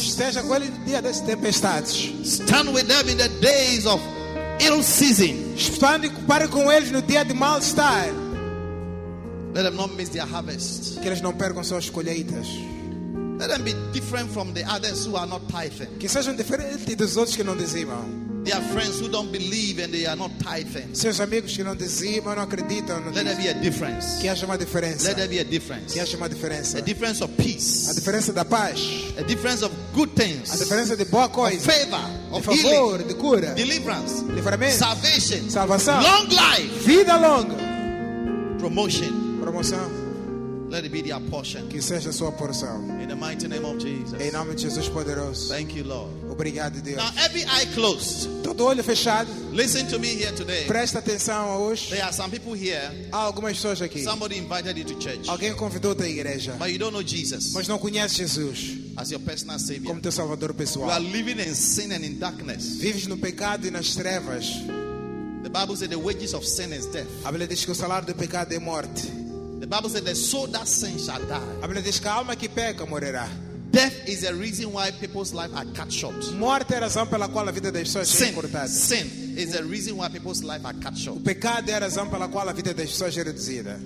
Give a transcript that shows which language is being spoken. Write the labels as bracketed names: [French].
[Portuguese] Esteja com eles no dia das tempestades. [English] Stand with them in the days of ill season. [Portuguese] Stand pare com eles no dia de mal estar. [English] Let them not miss their harvest. [Portuguese] Que eles não percam suas colheitas. [English] Let them be different from the others who are not tithing. [Portuguese] Que sejam diferentes dos outros que não dizimam. [English] They are friends who don't believe and they are not tithing. [Portuguese] Seus amigos que não dizimam, não acreditam. [English] Let there be a difference. [Portuguese] Que haja uma diferença. [English] Let there be a difference. [Portuguese] Que haja uma diferença. [English] A difference of peace. [Portuguese] A diferença da paz. [English] A difference of good things. [Portuguese] A diferença de boa coisa. [English] Of favor. Of favor, healing. [Portuguese] De cura. [English] Deliverance. [Portuguese] Livramento. [English] Salvation. [Portuguese] Salvação. [English] Long life. [Portuguese] Vida longa. [English] Promotion. [Portuguese] Promoção. [English] Let it be their portion. [Portuguese] Que seja sua porção. [English] In the mighty name of Jesus. [Portuguese] Em nome de Jesus poderoso. [English] Thank you, Lord. [Portuguese] Obrigado, Deus. [English] Now every eye closed. [Portuguese] Todo olho fechado. [English] Listen to me here today. [Portuguese] Presta atenção hoje. [English] There are some people here. [Portuguese] Há algumas pessoas aqui. [English] Somebody invited you to church. [Portuguese] Alguém convidou-te à igreja. [English] But you don't know Jesus. [Portuguese] Mas não conhece Jesus. [English] As your personal savior. [Portuguese] Como teu salvador pessoal. [English] You are living in sin and in darkness. [Portuguese] Vives no pecado e nas trevas. [English] The Bible says the wages of sin is death. [Portuguese] A Bíblia diz que o salário do pecado é morte. [English] The Bible says the soul that sins shall die. [Portuguese] A Bíblia diz que a alma que peca morrerá. [English] Death is the reason why people's lives are cut short. [Portuguese] Morte é a razão pela qual a vida das pessoas é cortada. [English] Sin is the reason why people's lives are cut short. [Portuguese] O pecado é a razão pela qual a vida das pessoas é reduzida.